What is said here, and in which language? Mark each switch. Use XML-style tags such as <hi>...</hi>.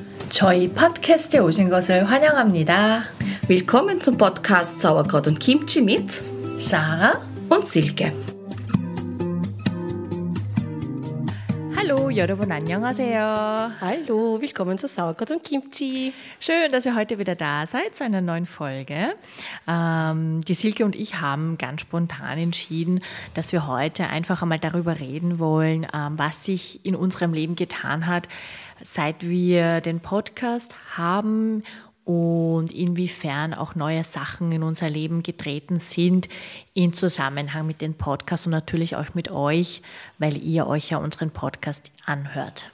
<ko>저희 팟캐스트에 오신 것을 환영합니다.</ko> <de>Willkommen zum Podcast Sauerkraut und Kimchi mit Sarah und Silke.</de> <ko>Hallo, 여러분 안녕하세요.</ko> <de>Hallo, willkommen zu Sauerkraut und Kimchi. Schön, dass ihr heute wieder da seid zu einer neuen Folge. Die Silke und ich haben ganz spontan entschieden, dass wir heute einfach einmal darüber reden wollen, was sich in unserem Leben getan hat, seit wir den Podcast haben und inwiefern auch neue Sachen in unser Leben getreten sind im Zusammenhang mit dem Podcast und natürlich auch mit euch, weil ihr euch ja unseren Podcast anhört.</de>